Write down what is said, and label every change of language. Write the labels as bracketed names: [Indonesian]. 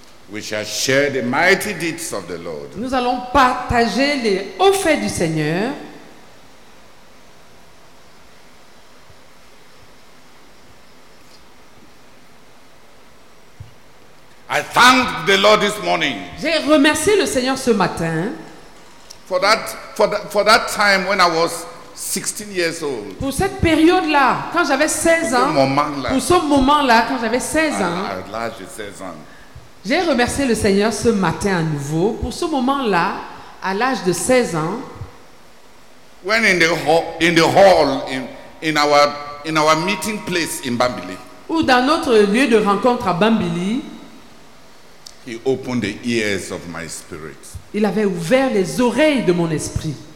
[English] We shall share the mighty deeds of the Lord. [French] Nous allons partager les hauts faits du Seigneur. [English] I thank the Lord this morning. [French] J'ai remercié le Seigneur ce matin. [English] For that time when I was 16 years old. [French] Pour cette période là, quand j'avais 16 ans. Pour ce moment là, quand j'avais 16 ans. À l'âge de 16 ans. J'ai remercié le Seigneur ce matin à nouveau pour ce moment-là, à l'âge de 16 ans. [English] When in the hall in our meeting place in Bambili. [French] Ou dans notre lieu de rencontre à Bambili. [English] He opened the ears of my spirit. [French] Il avait ouvert les oreilles de mon esprit.